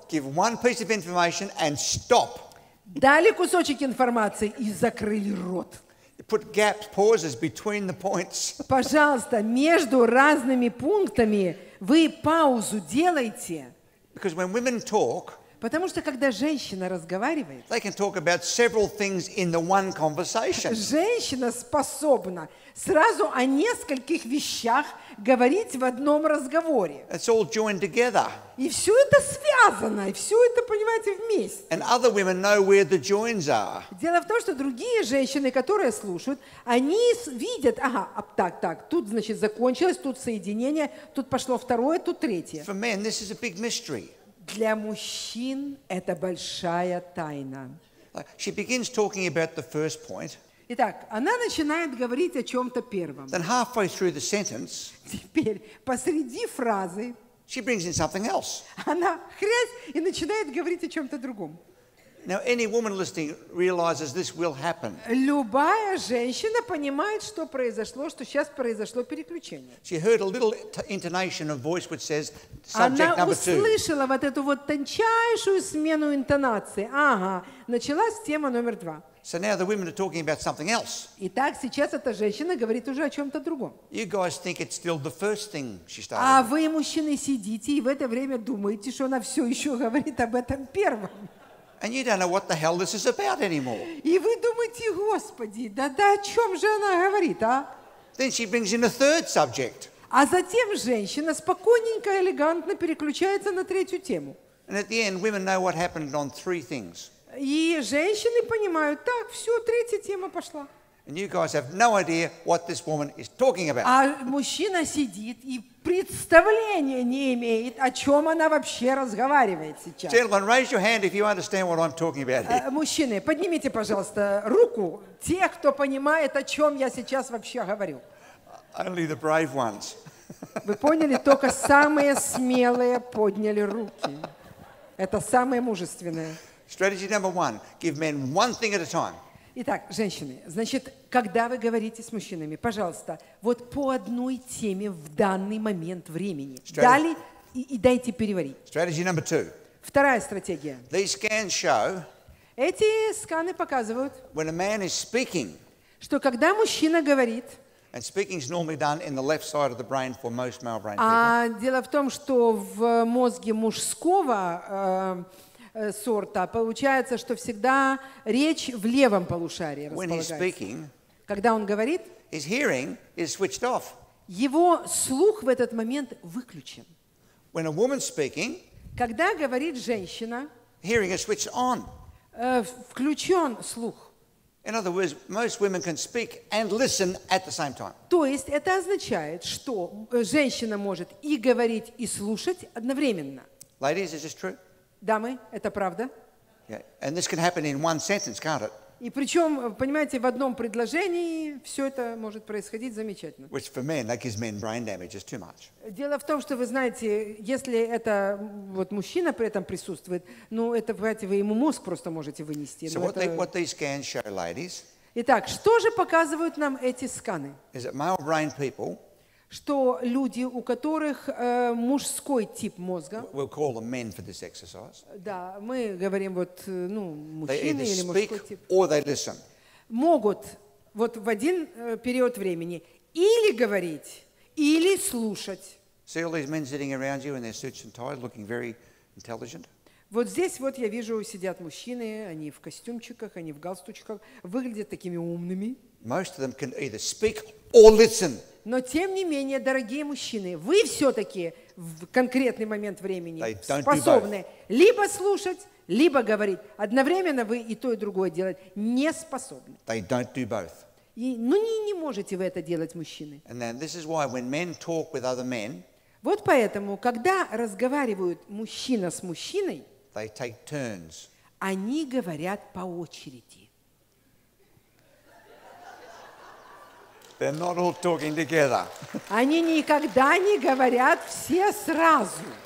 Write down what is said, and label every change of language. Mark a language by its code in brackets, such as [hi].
[en] Give one piece of information and stop. [ru] Дали кусочек информации и закрыли рот. [en] Put gaps, pauses between the points. [ru] Пожалуйста, между разными пунктами вы паузу делайте. [en] Because when women talk, [ru] потому что когда женщина разговаривает, [en] they can talk about several things in the one conversation. [ru] Женщина способна сразу о нескольких вещах говорить в одном разговоре. [en] It's all joined together. [ru] И все это связано, и все это, понимаете, вместе. [en] And other women know where the joins are. [ru] Дело в том, что другие женщины, которые слушают, они видят, ага, так, тут, значит, закончилось, тут соединение, тут пошло второе, тут третье. [en] For men, this is a big mystery. [ru] Для мужчин это большая тайна. [en] She begins talking about the first point. [ru] Итак, она начинает говорить о чем-то первом. [en] Then halfway through the sentence, [ru] теперь посреди фразы, [en] she brings in something else. [ru] Она хрясь и начинает говорить о чем-то другом. [en] Now any woman listening realizes this will happen. [ru] Любая женщина понимает, что произошло, что сейчас произошло переключение. [en] She heard a little intonation of voice which says subject number two. [ru] Она услышала вот эту вот тончайшую смену интонации. Ага, началась тема номер два. [en] So now the women are talking about something else. [ru] Итак, сейчас эта женщина говорит уже о чем-то другом. [en] You guys think it's still the first thing she started. [ru] А вы, мужчины, сидите и в это время думаете, что она все еще говорит об этом первом. [en] And you don't know what the hell this is about anymore. [ru] И вы думаете, Господи, да о чем же она говорит, а? [en] Then she brings in a third subject. [ru] А затем женщина спокойненько, элегантно переключается на третью тему. [en] And at the end, women know what happened on three things. [ru] И женщины понимают, так, все, третья тема пошла. [en] And you guys have no idea what this woman is talking about. [ru] А мужчина сидит и представления не имеет, о чем она вообще разговаривает сейчас. [en] Gentlemen, raise your hand if you understand what I'm talking about here. [ru] Мужчины, поднимите, пожалуйста, руку те, кто понимает, о чем я сейчас вообще говорю. [en] Only the brave ones. [ru] Вы поняли, только самые смелые подняли руки. Это самые мужественные. [en] Strategy number one: give men one thing at a time. [ru] Итак, женщины, значит, когда вы говорите с мужчинами, пожалуйста, вот по одной теме в данный момент времени. Дали и дайте переварить. [en] Strategy number two. [ru] Вторая стратегия. [en] These scans show, [ru] эти сканы показывают, [en] when a man is speaking, [ru] что когда мужчина говорит, [en] and speaking is normally done in the left side of the brain for most male brain people. [ru] А дело в том, что в мозге мужского сорта, получается, что всегда речь в левом полушарии располагается. [en] Speaking, [ru] когда он говорит, [en] his hearing is switched off. [ru] Его слух в этот момент выключен. [en] When a woman speaking, [ru] когда говорит женщина, [en] hearing is switched on. [ru] Включен слух. [en] In other words, most women can speak and listen at the same time. [ru] То есть это означает, что женщина может и говорить, и слушать одновременно. [en] Ladies, is this true? [ru] Дамы, это правда? [en] Yeah. And this can happen in one sentence, can't it? [ru] И причем, понимаете, в одном предложении все это может происходить замечательно. [en] Which for men, that gives men brain damage, is too much. [ru] Дело в том, что вы знаете, если это вот мужчина при этом присутствует, ну это, понимаете, вы ему мозг просто можете вынести. [en] So what these scans show, ladies? [ru] Итак, что же показывают нам эти сканы? [en] Is it male brain people? [ru] Что люди, у которых мужской тип мозга, [en] we'll call them men for this exercise. [ru] Да, мы говорим вот, ну, мужчины или мужской [en] speak, [ru] тип, [en] or they listen. [ru] Могут вот в один период времени или говорить, или слушать. [en] See all these men sitting around you in their suits and ties, looking very intelligent? [ru] Вот здесь вот я вижу, сидят мужчины, они в костюмчиках, они в галстучках, выглядят такими умными. [en] Most of them can either speak or listen. [ru] Но тем не менее, дорогие мужчины, вы все-таки в конкретный момент времени способны либо слушать, либо говорить. Одновременно вы и то, и другое делать не способны. [en] They don't do both. [ru] И, ну, не можете вы это делать, мужчины. [en] And then this is why when men talk with other men, [ru] вот поэтому, когда разговаривают мужчина с мужчиной, [en] they take turns. [ru] Они говорят по очереди. [en] They're not all talking together. [ru] Они никогда не говорят все сразу.